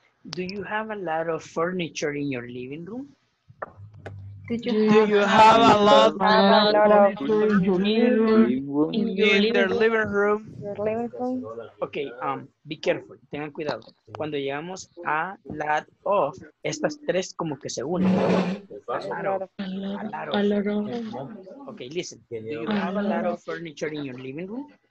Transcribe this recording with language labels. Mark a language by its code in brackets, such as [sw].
[en] Do you have a lot of furniture in your living room? Do you have a lot of furniture in your living room? Okay, be careful, [es] tengan cuidado. Cuando llegamos a lot of, estas tres como que se unen. [en] A lot of. Okay, listen. Do you have a lot of furniture in your living room?